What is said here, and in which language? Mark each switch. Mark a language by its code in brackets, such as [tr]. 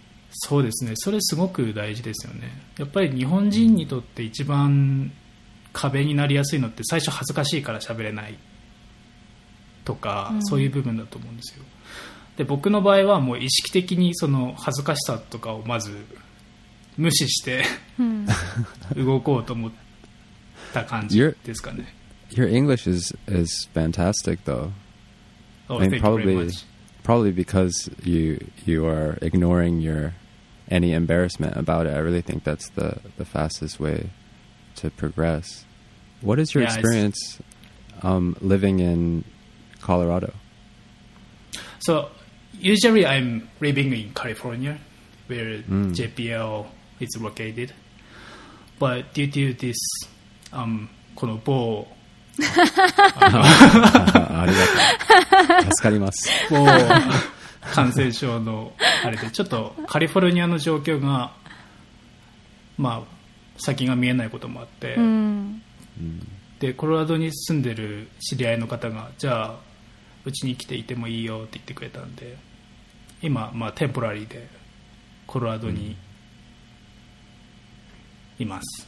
[ja] そうですね、それすごく大事ですよね。やっぱり日本人にとって一番壁になりやすいのって最初恥ずかしいから喋れないとか、うん、そういう部分だと思うんですよ。で僕の場合はもう意識的にその恥ずかしさとかをまず無視して、うん、動こうと思った感じですかね。 [en] Your English is fantastic though. Oh, I mean, thank probably, you very much. Probably because you are ignoring any embarrassment about it. I really think that's the fastest wayto progress. What is your experience living in Colorado? So usually I'm living in California where JPL is located, but due to this [ja] この某ありがとう助かります、某感染症のあれでちょっとカリフォルニアの状況がまあ先が見えないこともあって、うん、でコロラドに住んでる知り合いの方がじゃあうちに来ていてもいいよって言ってくれたんで、今まあテンポラリーでコロラドにいます、